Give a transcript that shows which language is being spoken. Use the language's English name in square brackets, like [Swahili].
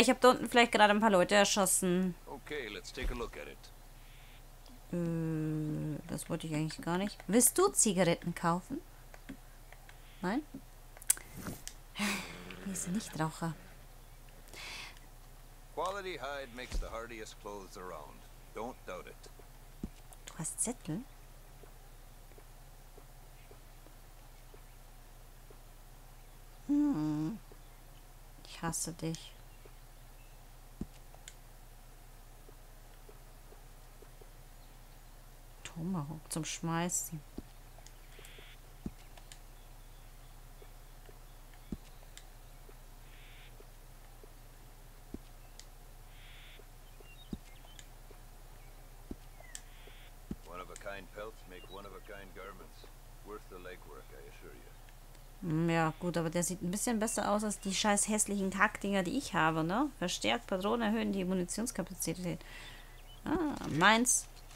[German] Ich habe da unten vielleicht gerade ein paar Leute erschossen. [English] Okay, let's take a look at it. [German] Das wollte ich eigentlich gar nicht. Willst du Zigaretten kaufen? Nein? Hier ist ein Nichtraucher. [English] Quality hide makes the hardiest clothes around. Don't doubt it. [German] Du hast Zettel? Ich hasse dich. Tomahawk zum Schmeißen. [English] kind pelts make one of a kind garments. Worth the legwork, I assure you. [German] Ja, gut, aber der sieht ein bisschen besser aus als die scheiß hässlichen Kackdinger, die ich habe, ne? Verstärkt Patronen erhöhen die Munitionskapazität. Ah, meins.